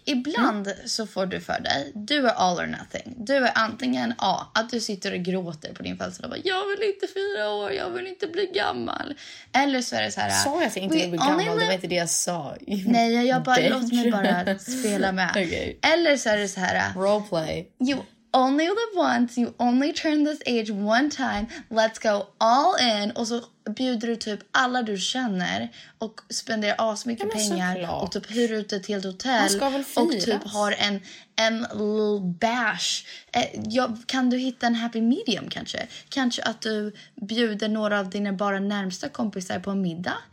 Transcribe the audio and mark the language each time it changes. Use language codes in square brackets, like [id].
[sv] Ibland så får du för dig, du är [en] all or nothing. [sv] Du är antingen A, att du sitter och gråter på din födelsedag och bara, jag vill inte fira år, jag vill inte bli gammal. Eller så är det så här, sa jag att jag inte vill bli gammal, det var inte det jag sa. Nej, jag bara, låt mig bara spela med. Okay. Eller så är det så här, roleplay. Jo. [en] Only live once, you only turn this age one time, let's go all in. [sv] Och så bjuder du typ alla du känner och spenderar as mycket pengar och typ hyr ut ett helt hotell. Man ska väl firas. Och typ har en [en] little bash. [sv] Kan du hitta en [en] happy medium [sv] kanske? Kanske att du bjuder några av dina bara närmsta kompisar på en middag?